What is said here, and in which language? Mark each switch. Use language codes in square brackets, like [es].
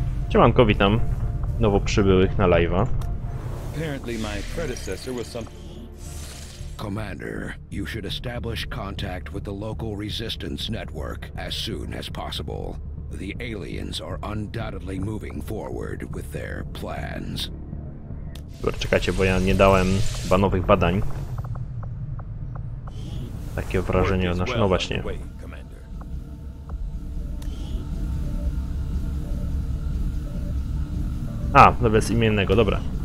[pl] Siemanko, witam nowo przybyłych na live'a. [en] Apparently my predecessor was some Commander, you should establish contact with the local resistance network as soon as possible. The aliens are undoubtedly moving forward with their plans. [pl] Dobra, czekajcie, bo ja nie dałem chyba nowych badań. Takie wrażenie od naszego. No właśnie. A, no bezimiennego, dobra.